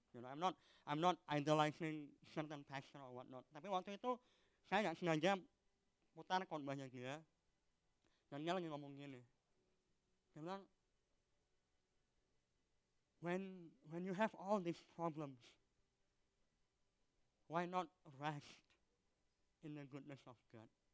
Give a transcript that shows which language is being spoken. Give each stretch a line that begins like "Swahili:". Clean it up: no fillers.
English: You know, I'm not idolizing certain pastor or whatnot.
Indonesian: Tapi waktu itu saya nggak sengaja putar khotbahnya dia. Dan dia lagi ngomong gini. Dia bilang,
English: when you have all these problems, why not rest in the goodness of God.